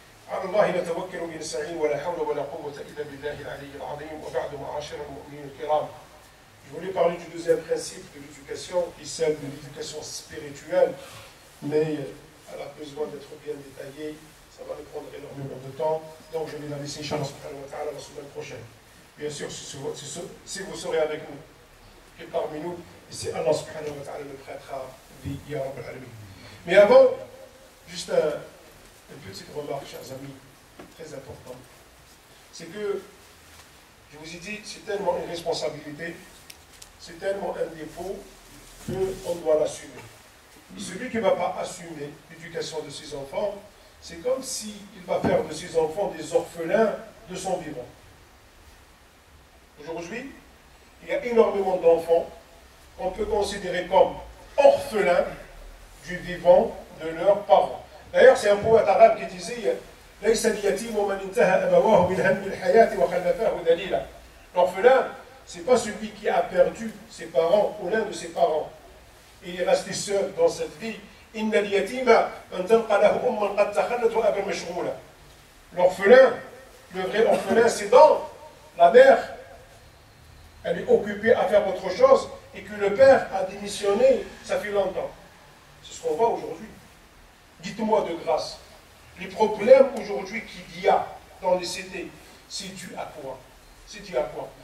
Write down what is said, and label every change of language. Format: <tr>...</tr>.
<ar>على الله نتوكل ونستعين ولا حول ولا قوة إلا بالله العلي العظيم وبعد معاشر المؤمنين الكرام.</ar> <fr>Je voulais parler du deuxième principe de l'éducation, qui est celle de l'éducation spirituelle, mais elle a besoin d'être bien détaillée, ça va nous prendre énormément de temps, donc je vais la laisser</fr> <ar>inchallah subhanahu wa ta'ala</ar> <fr>la semaine prochaine. Bien sûr, si vous serez avec nous et parmi nous, et si Allah</fr> <ar>subhanahu wa ta'ala</ar> <fr>le prêtera vie,</fr> <ar>ya Rabbi al-Alamin.</ar> <fr>Mais avant, juste une petite remarque, chers amis, très importante, c'est que, je vous ai dit, c'est tellement une responsabilité, c'est tellement un défaut qu'on doit l'assumer. Et celui qui ne va pas assumer l'éducation de ses enfants, c'est comme s'il va faire de ses enfants des orphelins de son vivant. Aujourd'hui, il y a énormément d'enfants qu'on peut considérer comme orphelins du vivant de leurs parents. D'ailleurs, c'est un poète arabe qui disait,</fr> <ar>ليس اليتيم من انتهى أبواه من هم الحياة وخلفاه دليلا.</ar> <fr>L'orphelin, c'est pas celui qui a perdu ses parents ou l'un de ses parents. Il est resté seul dans cette vie.</fr> <ar>إن اليتيم من تلقى له أما قد تخلت وأبا مشغولة.</ar> <fr>L'orphelin, le vrai orphelin, c'est dans la mère. Elle est occupée à faire autre chose et que le père a démissionné, ça fait longtemps. C'est ce qu'on voit aujourd'hui. Dites-moi de grâce, les problèmes aujourd'hui qu'il y a dans les cités, c'est dû à quoi? C'est dû à quoi?</fr>